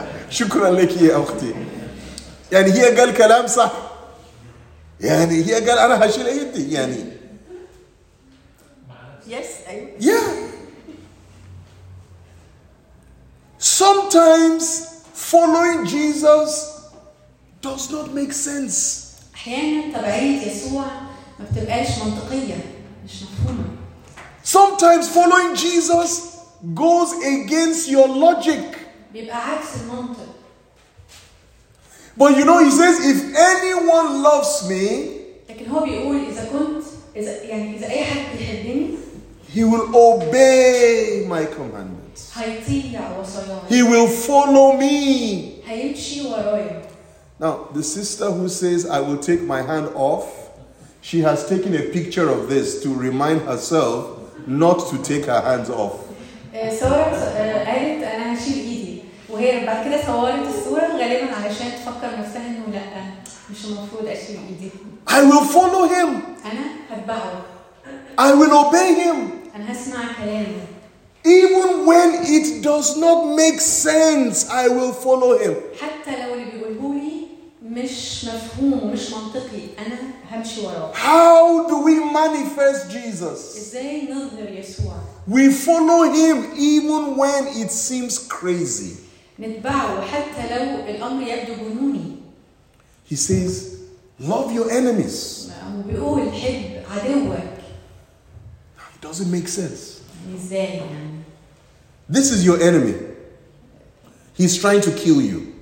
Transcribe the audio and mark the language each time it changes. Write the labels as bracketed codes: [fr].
[ar] شكرا لك يا اختي يعني هي قال كلام صح يعني هي قال انا هشيل ايدي يعني [en] yes I... yeah sometimes following Jesus does not make sense [ar] احيانا تبعيه يسوع ما بتبقاش منطقيه مش مفهومه [en] sometimes following Jesus goes against your logic [ar] بيبقى عكس المنطق. [en] But you know he says if anyone loves me [ar] لكن هو بيقول اذا كنت اذا يعني اذا اي حد بيحبني [en] he will obey my commandments [ar] هيطيع وصاياي [en] he will follow me [ar] هيمشي ورايا. [en] Now the sister who says I will take my hand off, she has taken a picture of this to remind herself not to take her hands off. [ar] قالت انا هشيل ايدي وهي بعد كده صورت الصوره غالبا علشان تفكر نفسها انه لا مش المفروض اشيل ايدي. [en] I will follow him. [ar] انا هتبعه. [en] I will obey him. [ar] انا هسمع كلامه. [en] Even when it does not make sense, I will follow him. [ar] حتى لو اللي بيقوله لي مش مفهوم ومش منطقي انا همشي وراه. [en] How do we manifest Jesus? [ar] ازاي نظهر يسوع؟ [en] We follow him even when it seems crazy. [ar] نتبعه حتى لو الامر يبدو جنوني. [en] He says, love your enemies. [ar] بيقول حب عدوك. [en] It doesn't make sense. [ar] ازاي؟ [en] This is your enemy. He's trying to kill you.